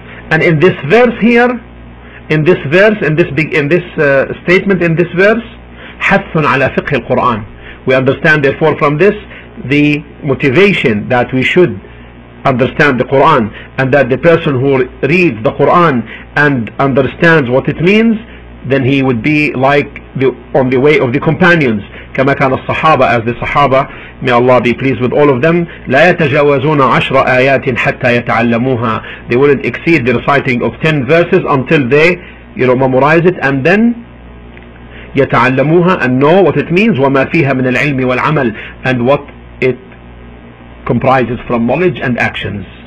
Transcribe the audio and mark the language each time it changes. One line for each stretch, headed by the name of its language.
English: And in this verse here, in this verse, in this statement, in this verse,
Arabic: حَثٌ عَلَى فِقْهِ الْقُرْآنِ.
English: We understand therefore from this the motivation that we should understand the Quran, and that the person who reads the Quran and understands what it means, then he would be like the, on the way of the companions.
Arabic: كما كان الصحابة,
English: as the Sahaba, may Allah be pleased with all of them,
Arabic: لا يتجاوزون عشر آيات حتى يتعلموها.
English: They wouldn't exceed the reciting of 10 verses until they, you know, memorize it, and then يتعلموها, and know what it means,
Arabic: وما فيها من العلم والعمل,
English: and what it comprises from knowledge and actions.